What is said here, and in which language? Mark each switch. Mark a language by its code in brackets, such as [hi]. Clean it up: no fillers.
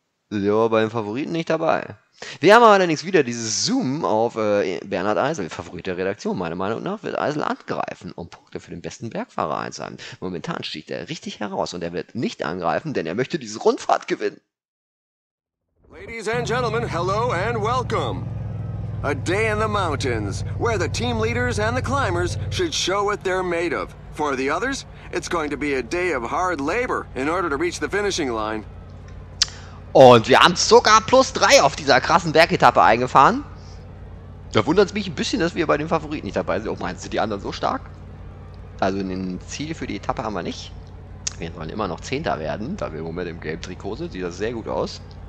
[de] Ja, bei den Favoriten nicht dabei. Wir haben allerdings wieder dieses Zoom auf Bernhard Eisel, Favorit der Redaktion. Meiner Meinung nach wird Eisel angreifen, um Punkte für den besten Bergfahrer einzusammeln. Momentan sticht er richtig heraus und er wird nicht angreifen, denn er möchte diese Rundfahrt gewinnen. [en] Ladies and Gentlemen, hello and welcome. A day in the mountains, where the team leaders and the climbers should show what they're made of. For the others, it's going to be a day of hard labor in order to reach the finishing line. [de] Und wir haben sogar plus 3 auf dieser krassen Bergetappe eingefahren. Da wundert es mich ein bisschen, dass wir bei den Favoriten nicht dabei sind. Oh, meinst du die anderen so stark? Also ein Ziel für die Etappe haben wir nicht. Wir wollen immer noch Zehnter werden, da wir im Moment im gelben Trikot sind. Sieht das sehr gut aus.